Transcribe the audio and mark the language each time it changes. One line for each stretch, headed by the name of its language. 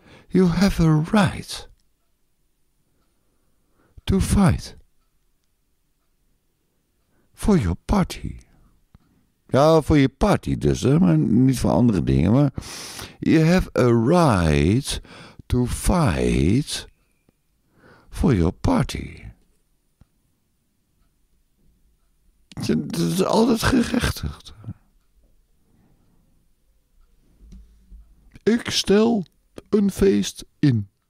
English: You have a right. To fight. For your party.
Dutch: Ja, voor je party dus. Hè? Maar niet voor andere dingen. Maar
English: you have a right to fight for your party.
Dutch: Het is altijd gerechtigd. Ik stel een feest in.